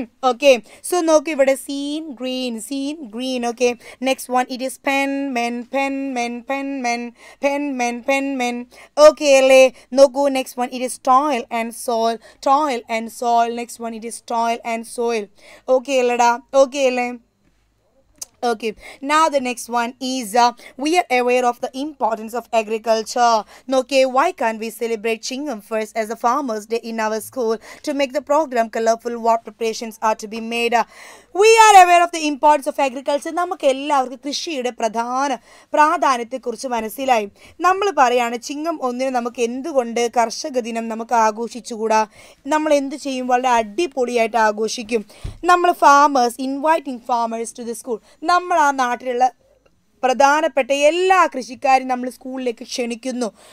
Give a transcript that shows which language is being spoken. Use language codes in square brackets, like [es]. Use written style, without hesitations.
[en] okay, so [ml] നോക്കൂ ഇവിടെ, [en] Seen green, seen green. Okay, next one, it is pen men, pen men, pen men, pen men, pen men. Okay [ml] അല്ലേ, നോക്കൂ [en] Next one, it is toil and soil, toil and soil. Next one, it is toil and soil. [ml] Okay അല്ലടാ, okay അല്ലേ. [en] Okay, now the next one is, we are aware of the importance of agriculture. Okay, why can't we celebrate Chingam first as a farmer's day in our school to make the program colorful? What preparations are to be made? We are aware of the importance of agriculture. [ml] നമുക്കെല്ലാവർക്കും കൃഷിയുടെ പ്രാധാന്യത്തെക്കുറിച്ച് മനസ്സിലായി. നമ്മൾ പറയുകയാണ് ചിങ്ങം ഒന്നിന് നമുക്ക് എന്തുകൊണ്ട് കർഷക ദിനം നമുക്ക് ആഘോഷിച്ചുകൂടാ, നമ്മൾ എന്ത് ചെയ്യും, വളരെ അടിപൊളിയായിട്ട് ആഘോഷിക്കും. നമ്മൾ farmers, [en] inviting farmers to the school, [ml] നമ്മൾ ആ നാട്ടിലുള്ള പ്രധാനപ്പെട്ട എല്ലാ കൃഷിക്കാരും നമ്മൾ സ്കൂളിലേക്ക് ക്ഷണിക്കുന്നു.